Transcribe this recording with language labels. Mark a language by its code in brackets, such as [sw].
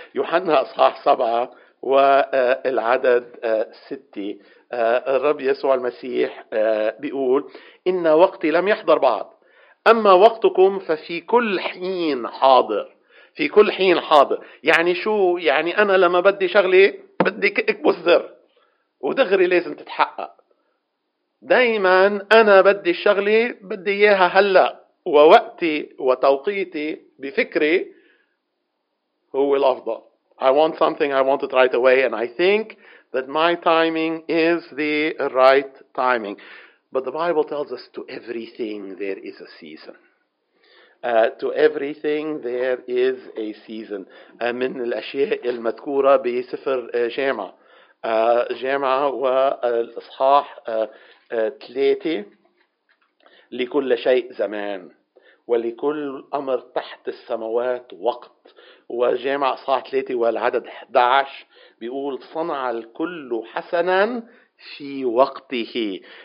[ar] يوحنا أصحاح 7 والعدد 6 الرب يسوع المسيح بيقول إن وقتي لم يحضر بعد أما وقتكم ففي كل حين حاضر في كل حين حاضر يعني شو يعني أنا لما بدي شغلي بدي أكبس زر ودغري لازم تتحقق دايما أنا بدي شغلي بدي إياها هلأ ووقتي وتوقيتي بفكري هو الأفضل [en] I want something I want it right away and I think that my timing is the right timing. But the Bible tells us to everything there is a season. To everything there is a season. [ar] من الأشياء المذكورة بسفر جامعة. جامعة والإصحاح 3 لكل شيء زمان. ولكل أمر تحت السماوات وقت وجامع إصحاح 3 والعدد 11 بيقول صنع الكل حسنا في وقته